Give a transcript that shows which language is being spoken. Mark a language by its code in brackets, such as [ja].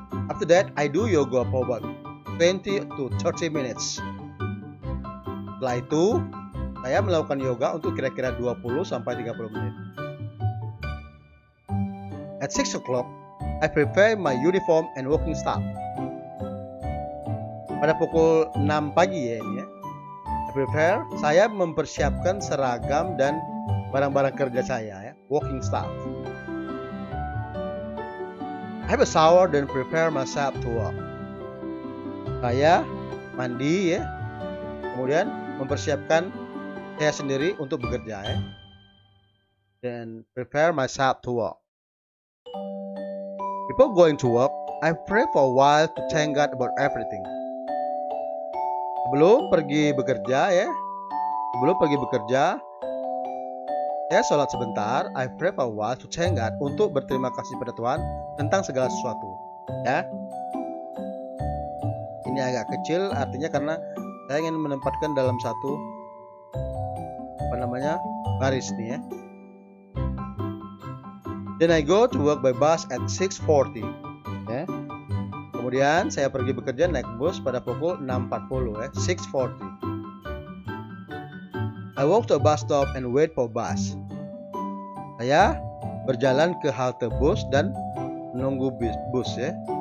[en] After that, I do yoga for about 20 to 30 minutes. [id] Setelah itu, saya melakukan yoga untuk kira-kira 20 sampai 30 menit. [en] At 6 o'clock, I prepare my uniform and working stuff. [id] Pada pukul 6 pagi ya ini ya. [en] I prepare, [id] saya mempersiapkan seragam dan barang-barang kerja saya ya, working stuff. [en] I have a shower then prepare myself to work. [id] Saya mandi ya. Kemudian mempersiapkan saya sendiri untuk bekerja ya. [en] Then prepare myself to work. Before going to work, I pray for a while to thank God about everything. [id] Sebelum pergi bekerja ya. Sebelum pergi bekerja, saya sholat sebentar, [en] I pray for what to thank God, [id] untuk berterima kasih pada Tuhan tentang segala sesuatu. Ya. Ini agak kecil artinya karena saya ingin menempatkan dalam satu apa namanya? Baris nih ya. [en] Then I go to work by bus at 6:40. Ya. [id] Kemudian saya pergi bekerja naik bus pada pukul 6:40 ya, 6:40. [en] I walk to a bus stop and wait for bus. [id] Saya berjalan ke halte bus dan menunggu bus ya.